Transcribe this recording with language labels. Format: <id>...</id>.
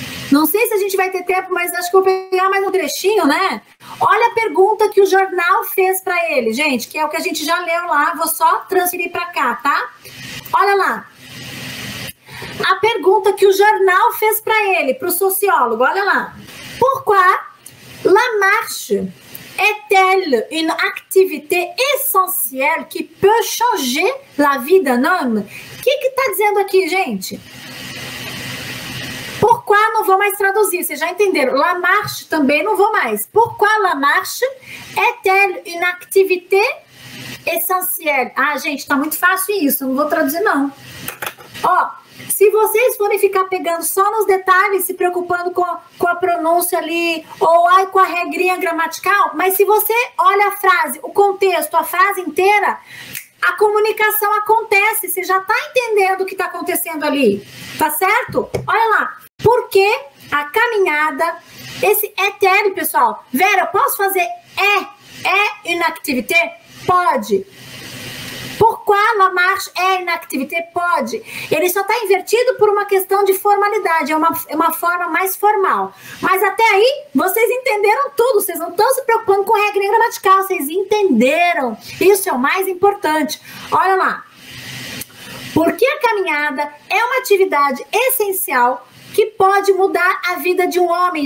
<pt>Não sei se a gente vai ter tempo, mas acho que vou pegar mais um trechinho, né? Olha a pergunta que o jornal fez para ele, gente, que é o que a gente já leu lá. Vou só transferir para cá, tá? Olha lá. A pergunta que o jornal fez para ele, para o sociólogo, olha lá.</pt> <fr>Pourquoi la marche est-elle une activité essentielle qui peut changer la vie d'un homme?</fr> <pt>O que está dizendo aqui, gente? Pourquoi, não vou mais traduzir, vocês já entenderam. La marche também não vou mais.</pt> <fr>Pourquoi la marche est-elle une activité essentielle?</fr> <pt>Ah, gente, está muito fácil isso, não vou traduzir, não. Ó. Se vocês forem ficar pegando só nos detalhes, se preocupando com a pronúncia ali, ou aí com a regrinha gramatical, mas se você olha a frase, o contexto, a frase inteira, a comunicação acontece, você já está entendendo o que está acontecendo ali, tá certo? Olha lá, por que a caminhada, esse ETL, pessoal, Vera, posso fazer é inactivité? Pode.</pt> <fr>Pourquoi la marche est inactivité?</fr> <pt>Pode. Ele só está invertido por uma questão de formalidade, é uma forma mais formal. Mas até aí, vocês entenderam tudo, vocês não estão se preocupando com regra gramatical, vocês entenderam. Isso é o mais importante. Olha lá. Porque a caminhada é uma atividade essencial que pode mudar a vida de um homem.</pt>